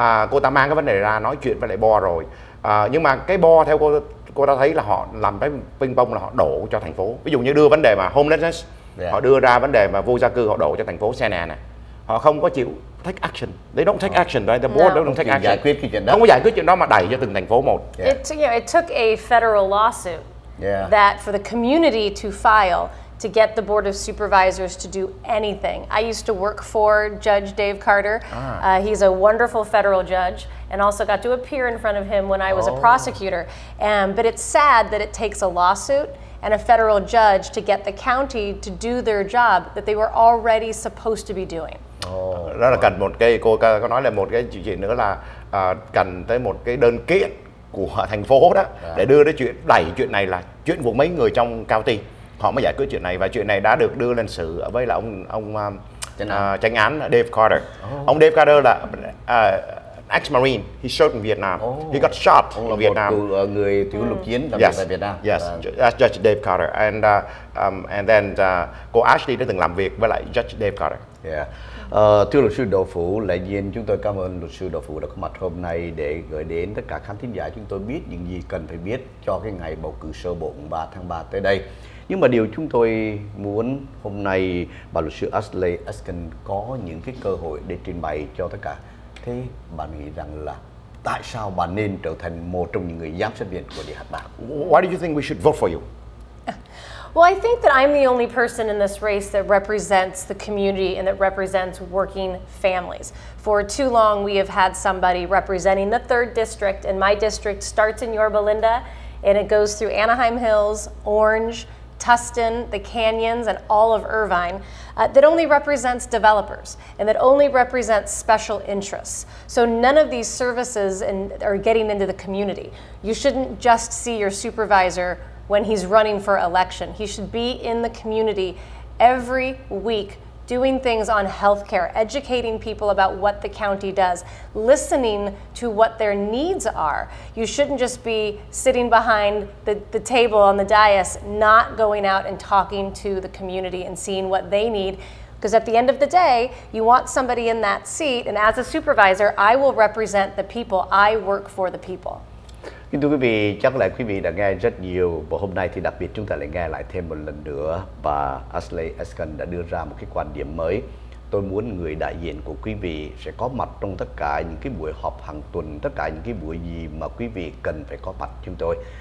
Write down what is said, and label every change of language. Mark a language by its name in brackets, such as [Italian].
[Vietnamese] Cô ta mang cái vấn đề ra nói chuyện với lại bo rồi, nhưng mà cái bo theo cô ta thấy là họ làm cái ping pong là họ đổ cho thành phố. Ví dụ như đưa vấn đề mà homelessness, họ đưa ra vấn đề mà vô gia cư, họ đổ cho thành phố Santa Ana. Họ không có chịu [English] take action. They don't take action, right? The board don't take action. [Vietnamese] Giải quyết cái chuyện đó. Không có giải quyết chuyện đó mà đẩy cho từng thành phố một. [English] It took a federal lawsuit that for the community to file to get the Board of Supervisors to do anything. I used to work for Judge Dave Carter. He's a wonderful federal judge, and also got to appear in front of him when I was a prosecutor. But it's sad that it takes a lawsuit and a federal judge to get the county to do their job that they were already supposed to be doing. [Vietnamese] Đó là cần một cái, cô có nói là một cái chuyện nữa là cần tới một cái đơn kiện của thành phố đó để đưa cái chuyện, đẩy chuyện này là chuyện của mấy người trong county, họ mới giải quyết chuyện này. Và chuyện này đã được đưa lên xử với là ông chánh án Dave Carter. Ông Dave Carter là [English] ex-marine, he served in Vietnam. He got shot [Vietnamese] ông [English] in Vietnam. [Vietnamese] Ông là một người thiếu lục chiến làm việc tại Việt Nam. [English] Yes, that's Judge Dave Carter. And and then [Vietnamese] cô Ashley đã từng làm việc với lại Judge Dave Carter. Thưa luật sư Đỗ Phủ, lẽ nhiên chúng tôi cảm ơn luật sư Đỗ Phủ đã có mặt hôm nay để gửi đến tất cả khán thính giả chúng tôi biết những gì cần phải biết cho cái ngày bầu cử sơ bộ 3 tháng 3 tới đây. Nhưng mà điều chúng tôi muốn hôm nay bà luật sư Ashley Eskin có những cái cơ hội để trình bày cho tất cả. Thế bà nghĩ rằng là tại sao bà nên trở thành một trong những người giám sát viên của Địa Hạt Bạc? [English] Why do you think we should vote for you? Well, I think that I'm the only person in this race that represents the community and that represents working families. For too long, we have had somebody representing the 3rd District, and my district starts in Yorba Linda, and it goes through Anaheim Hills, Orange, Tustin, the Canyons, and all of Irvine, that only represents developers and that only represents special interests. So none of these services are getting into the community. You shouldn't just see your supervisor when he's running for election. He should be in the community every week doing things on healthcare, educating people about what the county does, listening to what their needs are. You shouldn't just be sitting behind the table on the dais, not going out and talking to the community and seeing what they need. Because at the end of the day, you want somebody in that seat, and as a supervisor, I will represent the people. I work for the people. [Vietnamese] Kính thưa quý vị, chắc là quý vị đã nghe rất nhiều, và hôm nay thì đặc biệt chúng ta lại nghe lại thêm một lần nữa bà Ashley Eskin đã đưa ra một cái quan điểm mới. Tôi muốn người đại diện của quý vị sẽ có mặt trong tất cả những cái buổi họp hàng tuần, tất cả những cái buổi gì mà quý vị cần phải có mặt chúng tôi.